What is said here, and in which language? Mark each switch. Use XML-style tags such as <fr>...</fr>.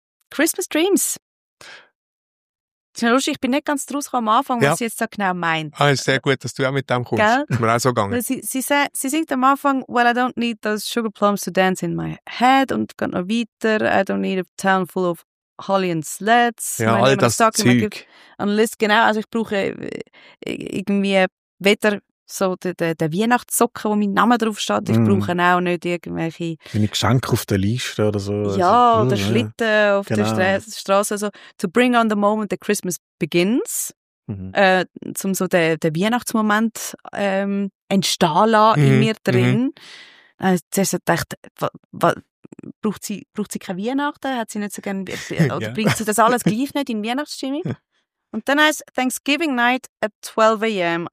<en>Christmas Dreams.</en> <de>Ich bin nicht ganz draus gekommen am Anfang, was sie jetzt so genau meint. Ah, ist sehr gut, dass du auch mit dem kommst. Gell? Ist mir auch so gegangen. Sie singt am Anfang,</de> <en>well, I don't need those sugar plums to dance in my head</en> <de>und geht noch weiter.</de> <en>I don't need a town full of holly and sleds.</en> <de>Ja, all das Zeug. Also ich brauche irgendwie weder so den Weihnachtssocken, wo mein Name draufsteht. Ich brauche auch nicht irgendwelche... Meine Geschenke auf der Liste oder so. Ja, oder Schlitten auf der Straße.</de> <en>Also, to bring on the moment that Christmas begins.</en> <de>Um so den Weihnachtsmoment entstehen lassen in mir drin. Zuerst dachte ich, braucht sie keine Weihnachten? Hat sie nicht so gerne... Oder bringt sie das alles gleich nicht in Weihnachtsstimmung? Und dann heißt</de> <en>Thanksgiving night at 12 a.m.</en>